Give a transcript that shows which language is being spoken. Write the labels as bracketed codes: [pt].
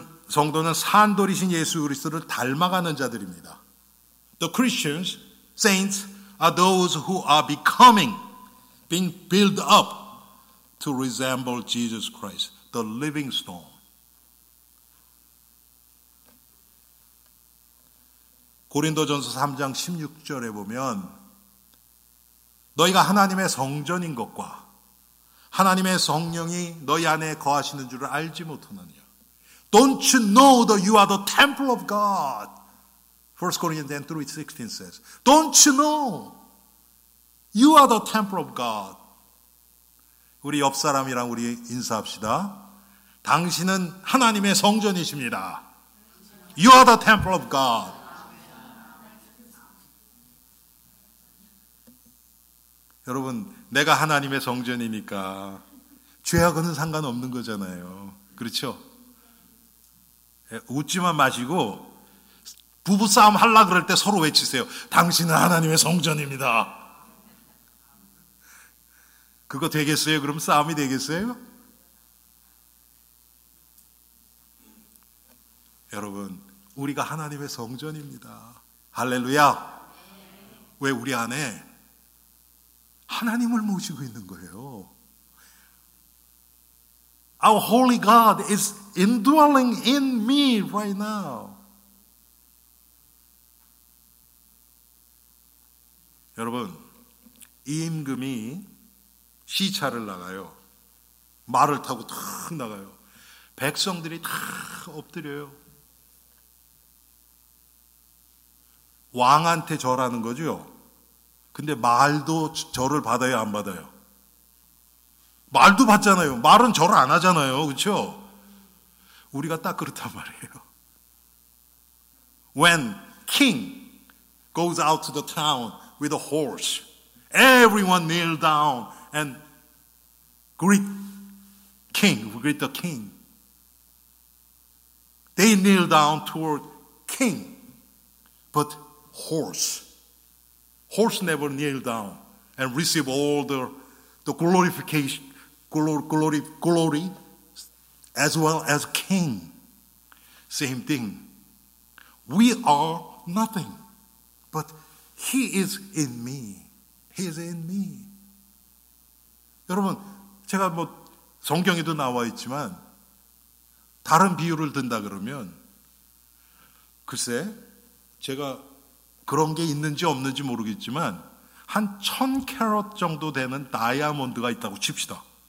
[ko] 성도는 산돌이신 예수 그리스도를 닮아가는 자들입니다. [en] The Christians, saints, are those who are becoming, being built up to resemble Jesus Christ, the living stone. [ko] 고린도전서 3장 16절에 보면 너희가 하나님의 성전인 것과 하나님의 성령이 너희 안에 거하시는 줄을 알지 못하느냐. [en] Don't you know that you are the temple of God? 1 Corinthians 3:16 says, Don't you know? You are the temple of God. [ko] 우리 옆 사람이랑 우리 인사합시다. 당신은 하나님의 성전이십니다. [en] You are the temple of God. [ko] 여러분, 내가 하나님의 성전이니까 죄하고는 상관없는 거잖아요. 그렇죠? 웃지만 마시고 부부싸움 하려고 그럴 때 서로 외치세요. 당신은 하나님의 성전입니다. 그거 되겠어요? 그럼 싸움이 되겠어요? 여러분, 우리가 하나님의 성전입니다. 할렐루야! 왜 우리 안에 하나님을 모시고 있는 거예요. [en] Our holy God is indwelling in me right now. [ko] 여러분, 이 임금이 시찰을 나가요. 말을 타고 탁 나가요. 백성들이 다 엎드려요. 왕한테 절하는 거죠. 근데 말도 절을 받아요, 안 받아요? 말도 받잖아요. 말은 절을 안 하잖아요. 그렇죠? 우리가 딱 그렇단 말이에요. [en] When king goes out to the town with a horse, everyone kneel down and greet king, greet the king. They kneel down toward king, but horse. Horse never kneel down and receive all the glorification, glory as well as king. Same thing. We are nothing, but he is in me. He is in me. [ko] 여러분, 제가 뭐 성경에도 나와 있지만 다른 비유를 든다 그러면 글쎄 제가 그런 게 있는지 없는지 모르겠지만 한 1,000캐럿 정도 되는 다이아몬드가 있다고 칩시다.